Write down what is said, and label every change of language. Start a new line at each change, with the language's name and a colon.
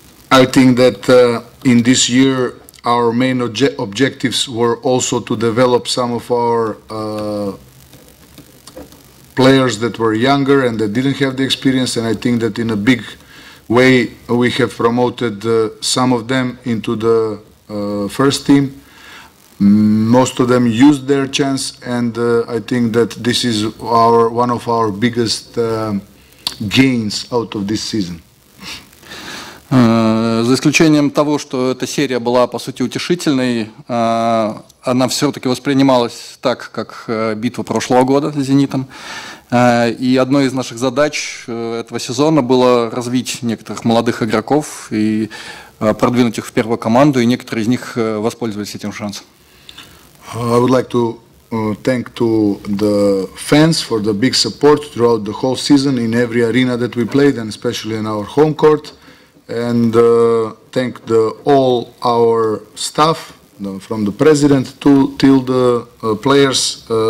English: I think that in this year our main objectives were also to develop some of our players that were younger and that didn't have the experience, and I think that in a big way we have promoted some of them into the first team. most of them used their chance, and I think that this is one of our biggest gains out of this season.
Russian: За исключением того, что эта серия была, по сути, утешительной, она все-таки воспринималась так, как битва прошлого года с «Зенитом». И одной из наших задач этого сезона было развить некоторых молодых игроков и продвинуть их в первую команду, и некоторые из них воспользовались этим шансом.
English: I would like to thank to the fans for the big support throughout the whole season in every arena that we played, and especially in our home court. And thank the all our staff, from the president to till the players.